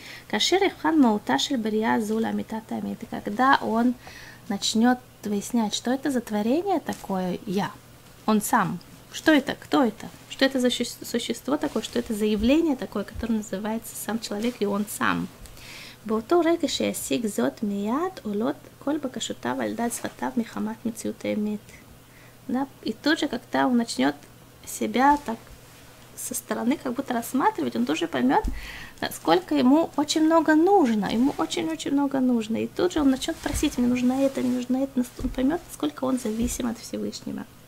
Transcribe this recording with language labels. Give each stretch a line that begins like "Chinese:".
Hebrew: Кашир Ихан Мауташель Брия Зуля Митатамит.
Russian: Когда он начнет выяснять, что это за творение такое «я», он сам, что это, кто это, что это за существо такое, что это за явление такое, которое называется сам человек и он сам.
Hebrew: באותו רגע שישיג זאת מיד, עולות כל בקשותיו על דל שפתיו מחמת מציאות האמת.
Russian: И тут же, когда он начнет себя так со стороны как будто рассматривать, он тоже поймет, насколько ему очень много нужно, ему очень-очень много нужно. И тут же он начнет просить, мне нужно это, мне нужно это, он поймет, насколько он зависим от Всевышнего.